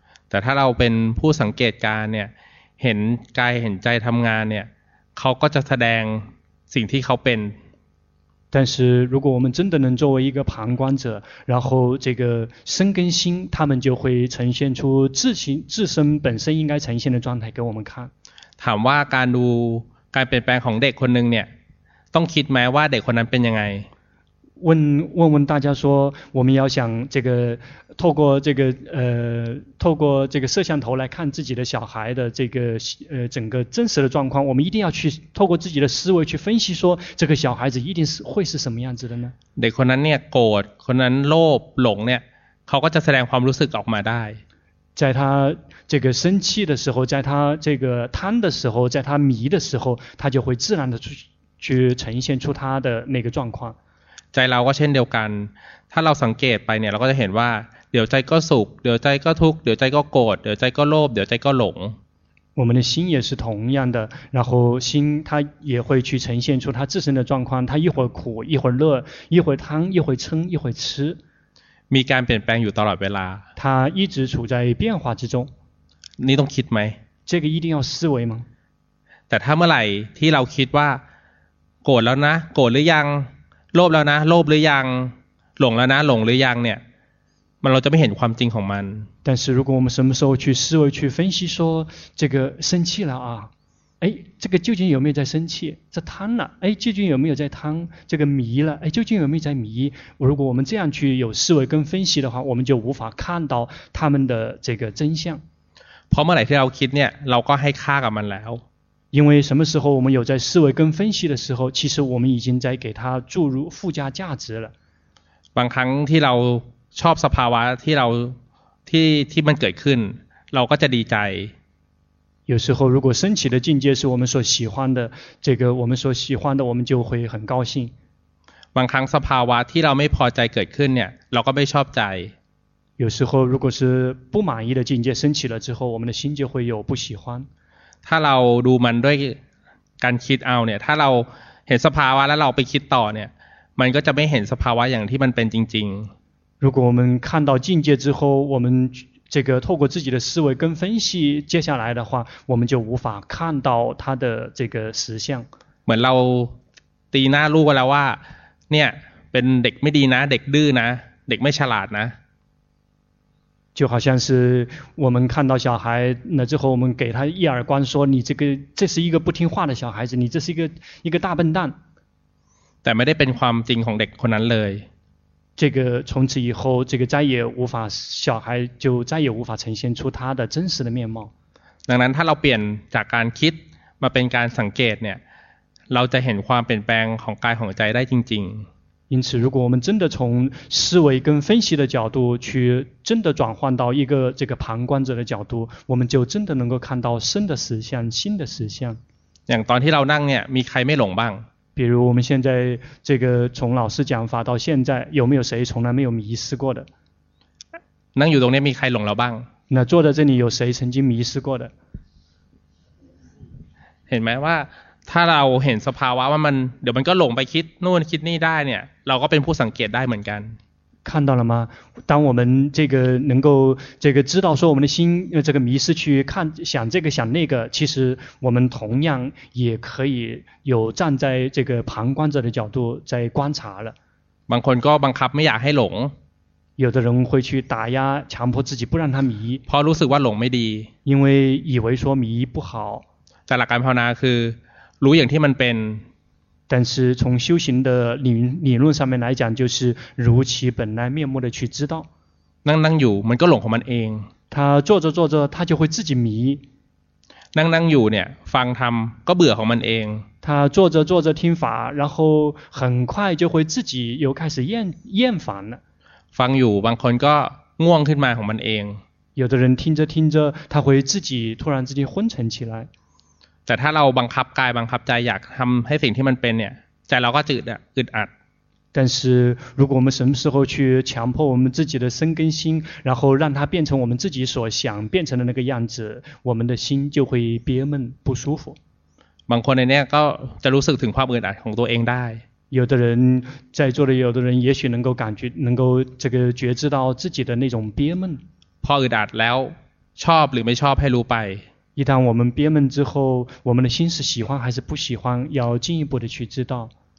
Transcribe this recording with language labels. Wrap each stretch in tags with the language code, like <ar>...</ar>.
<th>แต่ถ้าเราเป็นผู้สังเกตการเนี่ยเห็นกายเห็นใจทำงานเนี่ยเขาก็จะแสดงสิ่งที่เขาเป็น</th> <zh>但是如果我们真的能作为一个旁观者然后这个身跟心他们就会呈现出自身本身应该呈现的状态给我们看</zh> <th>ถามว่าการดูการเปลี่ยนแปลงของเด็กคนหนึ่งเนี่ยต้องคิดไหมว่าเด็กคนนั้นเป็นยังไง</th> <zh>问大家说我们要想这个透过这个透过这个摄像头来看自己的小孩的这个整个真实的状况我们一定要去透过自己的思维去分析说这个小孩子一定是会是什么样子的呢</zh> <th>เด็กคนนั้นเนี่ยโกรธคนนั้นโลภหลงเนี่ยเขาก็จะแสดงความรู้สึกออกมาได้</th> <zh>在他这个生气的时候在他这个贪的时候在他迷的时候他就会自然的去呈现出他的那个状况</zh> <th>ใจเราก็เช่นเดียวกันถ้าเราสังเกตไปเนี่ยเราก็จะเห็นว่า เดี๋ยวใจก็สุขเดี๋ยวใจก็ทุกข์เดี๋ยวใจก็โกรธเดี๋ยวใจก็โลภเดี๋ยวใจก็หลง</th> <zh>我们的心也是同样的，然后心它也会去呈现出它自身的状况，它一会儿苦，一会儿乐，一会儿贪，一会儿嗔，一会儿痴。</zh> <th>มีการเปลี่ยนแปลงอยู่ตลอดเวลา。</th> <zh>它一直处在变化之中。</zh> <th>นี่ต้องคิดไหม？</th> <zh>这个一定要思维吗？</zh> <th>แต่ถ้าเมื่อไหร่ที่เราคิดว่าโกรธแล้วนะโกรธหรือยังโลภแล้วนะโลภหรือยังหลงแล้วนะหลงหรือยังเนี่ยมันเราจะไม่เห็นความจริงของมัน</th> <zh>但是如果我们什么时候去思维去分析说这个生气了啊哎这个究竟有没有在生气这贪了哎究竟有没有在贪这个迷了哎究竟有没有在迷如果我们这样去有思维跟分析的话我们就无法看到他们的这个真相</zh> <th>เพราะเมื่อไหร่ที่เราคิดเนี่ยเราก็ให้ค่ากับมันแล้ว</th> <zh>因为什么时候我们有在思维跟分析的时候其实我们已经在给它注入附加价值了</zh> <th>บางครั้งที่เราชอบสภาวะที่เราที่มันเกิดขึ้นเราก็จะดีใจ</th> <zh>有时候如果升起的境界是我们所喜欢的这个我们所喜欢的我们就会很高兴</zh> <th>บางครั้งสภาวะที่เราไม่พอใจเกิดขึ้นเนี่ยเราก็ไม่ชอบใจ</th> <zh>有时候如果是不满意的境界升起了之后我们的心就会有不喜欢</zh> <th>ถ้าเราดูมันด้วยการคิดเอาเนี่ยถ้าเราเห็นสภาวะแล้วเราไปคิดต่อเนี่ยมันก็จะไม่เห็นสภาวะอย่างที่มันเป็นจริงๆ</th> <zh>如果我们看到境界之后，我们这个透过自己的思维跟分析，接下来的话，我们就无法看到它的这个实相。</zh> <th>เหมือนเราตีหน้าลูกแล้วว่าเนี่ยเป็นเด็กไม่ดีนะเด็กดื้อนะเด็กไม่ฉลาดนะ</th> <zh>就好像是我们看到小孩那之后，我们给他一耳光说你这是一个不听话的小孩子，你这是一个大笨蛋。</zh> <th>แต่ไม่ได้เป็นความจริงของเด็กคนนั้นเลย</th> <zh>这个从此以后，这个再也无法小孩就再也无法呈现出他的真实的面貌。</zh> <th>ดังนั้นถ้าเราเปลี่ยนจากการคิดมาเป็นการสังเกตเนี่ยเราจะเห็นความเปลี่ยนแปลงของกายของใจได้จริง ๆ</th> <zh>因此，如果我们真的从思维跟分析的角度去真的转换到一个这个旁观者的角度，我们就真的能够看到身的实相、心的实相。</zh> <th>อย่างตอนที่เรานั่งเนี่ยมีใครไม่หลงบ้าง</th> <zh>比如我们现在这个从老师讲法到现在有没有谁从来没有迷失过的</zh> <th>นั่งอยู่ตรงนี้มีใครหลงเราบ้าง</th> <zh>那坐在这里有谁曾经迷失过的</zh> <th>เห็นไหมว่าถ้าเราเห็นสภาวะว่ามันเดี๋ยวมันก็หลงไปคิดนู่นคิดนี่ได้เนี่ยเราก็เป็นผู้สังเกตได้เหมือนกัน</th> <zh>看到了吗当我们这个能够这个知道说我们的心这个迷失去看想这个想那个其实我们同样也可以有站在这个旁观者的角度在观察了</zh> <th>บางคนก็บังคับไม่อยากให้หลง</th> <zh>有的人会去打压强迫自己不让他迷</zh> <th>เพราะรู้สึกว่าหลงไม่ดี</th> <zh>因为以为说迷不好</zh> <th>แต่หลักการภาวนาคือรู้อย่างที่มันเป็น แต่</th> <zh>是从修行的理论上面来讲就是如其本来面目的去知道</zh> <th>นั่งอยู่มันก็หลงของมันเอง</th> <zh>他坐着坐着他就会自己迷</zh> <th>นั่งอยู่เนี่ยฟังธรรมก็เบื่อของมันเอง</th> <zh>他坐着坐着听法然后很快就会自己又开始厌烦了</zh> <th>ฟังอยู่บางคนก็ง่วงขึ้นมาของมันเอง</th> <zh>有的人听着听着他会自己突然自己昏沉起来</zh> <th>แต่ถ้าเราบังคับกายบังคับใจอยากทำให้สิ่งที่มันเป็นเนี่ยใจเราก็จืดอึดอัด</th> <zh>但是如果我们什么时候去强迫我们自己的身跟心然后让它变成我们自己所想变成的那个样子我们的心就会憋闷不舒服</zh> <th>บางคนในเนี่ยก็จะรู้สึกถึงความอึดอัดของตัวเองได้</th> <zh>有的人在座的有的人也许能够感觉能够这个觉知到自己的那种憋闷</zh> <th>พออึดอัดแล้วชอบหรือไม่ชอบให้รู้ไป</th> <zh>一旦我们憋闷之后我们的心是喜欢还是不喜欢要进一步的去知道</zh>